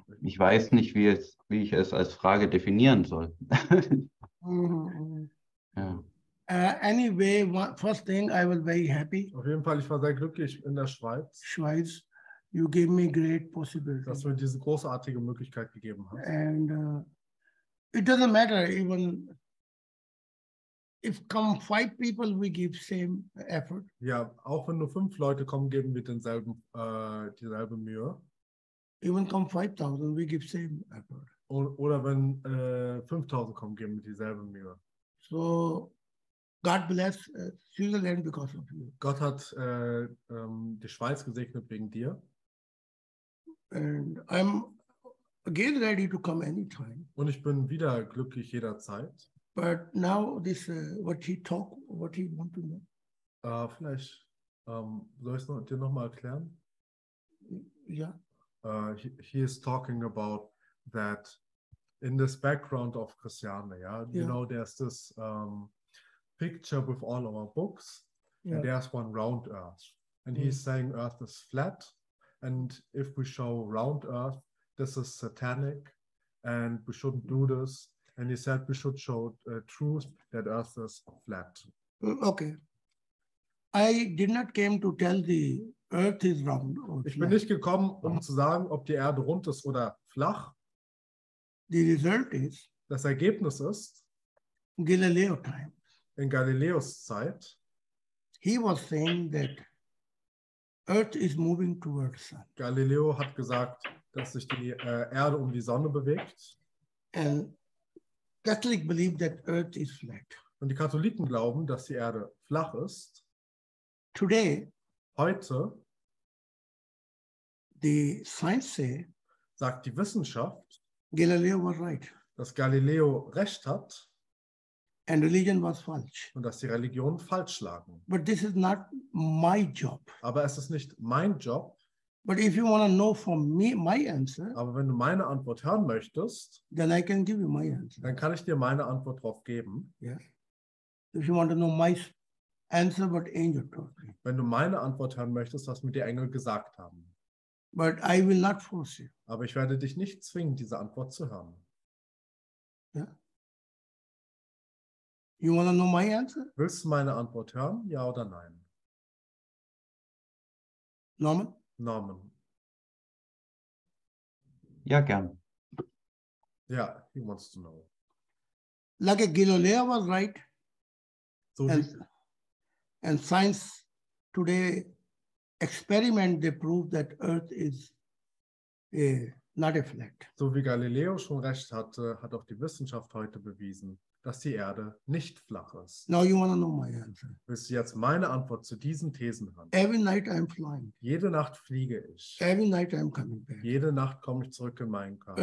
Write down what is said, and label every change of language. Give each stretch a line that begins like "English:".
German: Ich weiß nicht, wie ich es als Frage definieren soll.
English: Ja. Anyway, first thing, I was very happy.
German: Auf jeden Fall, ich war sehr glücklich in der Schweiz.
English: Schweiz, you gave me great possibility.
German: Dass du mir diese großartige Möglichkeit gegeben hast.
English: And it doesn't matter even if come five people, we give same effort.
German: Ja, auch wenn nur fünf Leute kommen, geben wir denselben dieselbe Mühe.
English: Even come 5,000, we give same effort.
German: Oder wenn 5,000 kommen, geben wir dieselbe Mühe.
English: So, God bless Switzerland because of you.
German: Gott hat die Schweiz gesegnet wegen dir.
English: And I'm again ready to come anytime.
German: Und ich bin wieder glücklich jederzeit.
English: But now this what he want to know.
German: Vielleicht soll ich es dir noch mal erklären? Ja. Yeah.
English: He is talking about that. In this background of Christiane, yeah? Yeah, you know, there's this picture with all our books, yeah, and there's one round earth. And he's saying earth is flat, and if we show round earth, this is satanic, and we shouldn't do this. And he said we should show truth that earth is flat. Okay. I did not came to tell the earth is round.
German: Ich bin nicht gekommen, um zu sagen, ob die Erde rund ist oder flach.
English: The result is,
German: das Ergebnis ist,
English: Galileo times,
German: in Galileos Zeit,
English: he was saying that Earth is moving towards Sun.
German: Galileo hat gesagt, dass sich die Erde um die Sonne bewegt.
English: And Catholic believe that Earth is flat.
German: Und die Katholiken glauben, dass die Erde flach ist.
English: Today,
German: heute,
English: the science say,
German: sagt die Wissenschaft,
English: Galileo was right.
German: Dass Galileo recht hat.
English: And religion was falsch.
German: Und dass die Religion falsch lagen.
English: But this is not my job.
German: Aber es ist nicht mein Job.
English: But if you want to know from me my answer.
German: Aber wenn du meine Antwort hören möchtest,
English: then I can give you my answer.
German: Dann kann ich dir meine Antwort drauf geben.
English: Yeah. If you want to know my answer, what angel told me.
German: Wenn du meine Antwort hören möchtest, was mir die Engel gesagt haben.
English: But I will not force you.
German: Aber ich werde dich nicht zwingen, diese Antwort zu hören.
English: Yeah. You wanna know my answer?
German: Willst du meine Antwort hören, ja oder nein? Norman? Norman. Ja, gern.
English: Ja, he wants to know. Like a Galileo was right. So and science today experiment they prove that Earth is not a flat.
German: So wie Galileo schon recht hatte, hat auch die Wissenschaft heute bewiesen, dass die Erde nicht flach ist.
English: Now you want to know my answer.
German: Willst du jetzt meine Antwort zu diesen Thesen haben?
English: Every night I'm flying.
German: Jede Nacht fliege ich.
English: Every night I'm coming back.
German: Jede Nacht komme ich zurück in meinen Körper.